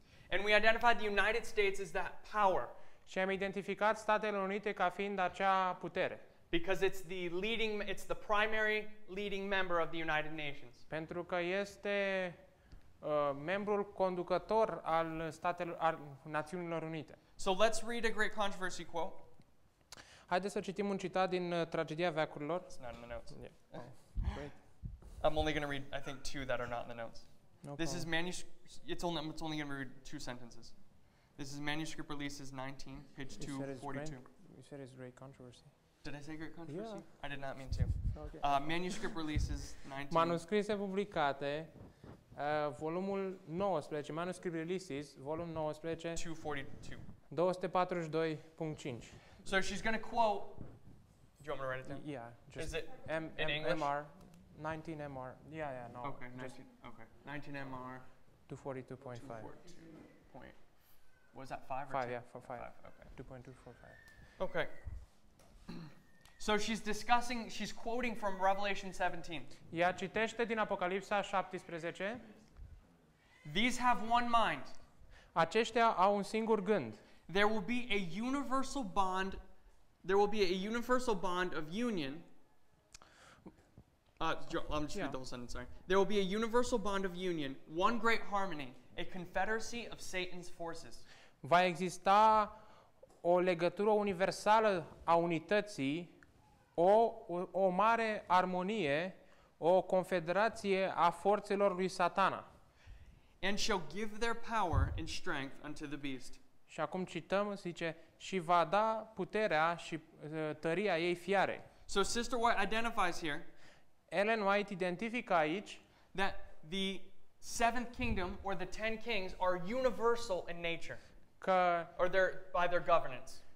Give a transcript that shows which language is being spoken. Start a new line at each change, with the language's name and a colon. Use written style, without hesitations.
English: And we identified the United States as that power.
Romanian: Și am identificat Statele Unite ca fiind acea putere.
English: Because it's the primary leading member of the United Nations.
Romanian: Pentru că este membrul conducător al Națiunilor Unite.
English: So let's read a great controversy quote.
Romanian: Haideți să citim un citat din Tragedia Veacurilor.
English: It's not in the notes. Yeah. I'm only going to read, I think, two that are not in the notes. No this problem. Is manuscript. It's only going to read two sentences. This is manuscript releases 19, page 242. You said it's great controversy. Did I say great controversy? Yeah. I did not mean to. Okay. Manuscript releases 19.
Romanian: Manuscrise publicate. Volumul 19, Manuscript Releases, volum 19, 242.5.
English: So she's going to quote, do you want me to write it down? Yeah. Just is it in English? MR, 19 MR. Yeah, no. Okay, 19 MR. 242.5. Was that 5 or 5? 10? Yeah, for 5. 5, okay. 2.245. Okay. So she's discussing, she's quoting from Revelation 17.
Romanian: Ea citește din Apocalipsa 17.
English: These have one mind.
Romanian: Aceștia au un singur gând.
English: There will be a universal bond. There will be a universal bond of union. Let me just read the whole sentence. Sorry. There will be a universal bond of union, one great harmony, a confederacy of Satan's forces.
Romanian: Va exista o legătură universală a unității. O mare armonie, o confederație a forțelor lui Satana.
English: And shall give their power and strength unto the beast.
Romanian: Și acum cităm, zice, și va da puterea și tăria ei fiare.
English: So Sister White identifies here.
Romanian: Ellen White identifică aici
English: that the seventh kingdom or the ten kings are universal in nature.
Romanian: Că
English: or their by their governance.